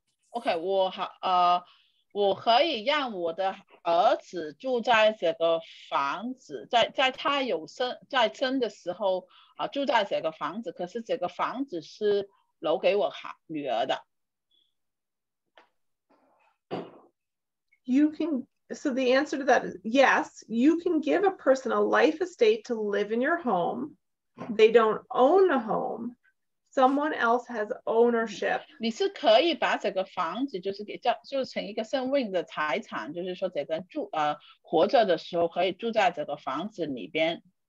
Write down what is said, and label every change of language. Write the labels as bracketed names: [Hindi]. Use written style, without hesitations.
[Chinese] Okay, 我可以让我的儿子住在这个房子，在他有生在生的时候啊，住在这个房子。可是这个房子是留给我女儿的。 [English] You can, so the answer to that is yes, you can give a person a life estate to live in your home. They don't own a home. Someone else has ownership. [Chinese] 你是可以把这个房子就是给叫，就是成一个生命的财产，就是说这个住，活着的时候可以住在这个房子里边。